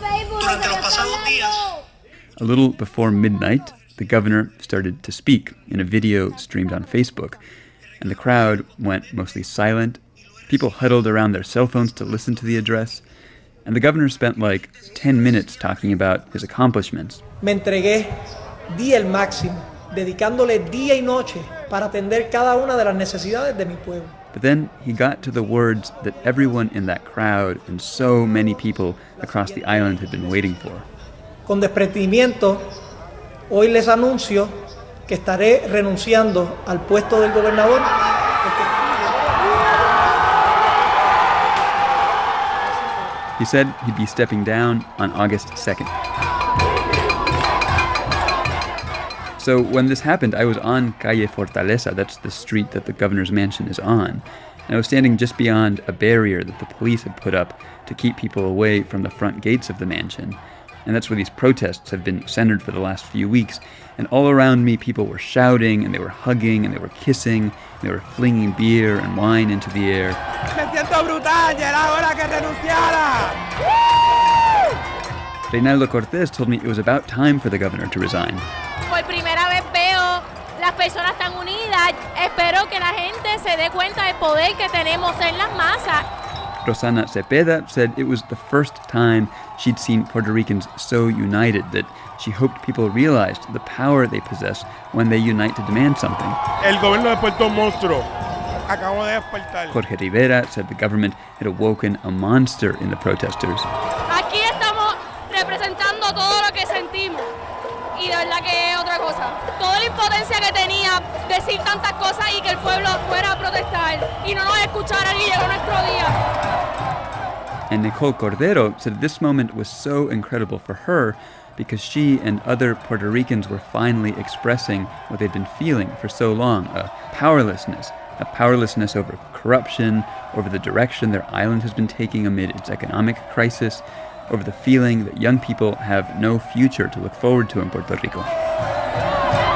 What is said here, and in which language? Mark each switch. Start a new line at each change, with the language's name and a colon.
English: A little before midnight, the governor started to speak in a video streamed on Facebook. And the crowd went mostly silent. People huddled around their cell phones to listen to the address. And the governor spent like 10 minutes talking about his accomplishments.
Spanish: Me entregué, di el máximo, dedicándole día y noche para atender cada una de las necesidades de mi pueblo.
English: But then he got to the words that everyone in that crowd and so many people across the island had been waiting for.
Spanish: Con desprendimiento, hoy les anuncio que estaré renunciando al puesto del gobernador.
English: He said he'd be stepping down on August 2nd. So when this happened, I was on Calle Fortaleza. That's the street that the governor's mansion is on. And I was standing just beyond a barrier that the police had put up to keep people away from the front gates of the mansion. And that's where these protests have been centered for the last few weeks. And all around me, people were shouting, and they were hugging, and they were kissing, and they were flinging beer and wine into the air.
Spanish: Me siento brutal, ya era hora que renunciara.
English: Reynaldo Cortés told me it was about time for the governor to resign.
Spanish: Por primera vez veo las personas tan unidas. Espero que la gente se dé cuenta del poder que tenemos en las masas.
English: Rosana Cepeda said it was the first time she'd seen Puerto Ricans so united that she hoped people realized the power they possess when they unite to demand something.
Spanish: El gobierno despertó un monstruo. Acabo de despertar.
English: Jorge Rivera said the government had awoken a monster in the protesters.
Spanish: Aquí estamos representando todo lo que sentimos. Y de verdad que es otra cosa. Toda la impotencia que tenía decir tantas cosas y que el pueblo fuera a protestar y no nos escucharan y llegó nuestro día.
English: And Nicole Cordero said this moment was so incredible for her because she and other Puerto Ricans were finally expressing what they'd been feeling for so long, a powerlessness over corruption, over the direction their island has been taking amid its economic crisis, over the feeling that young people have no future to look forward to in Puerto Rico.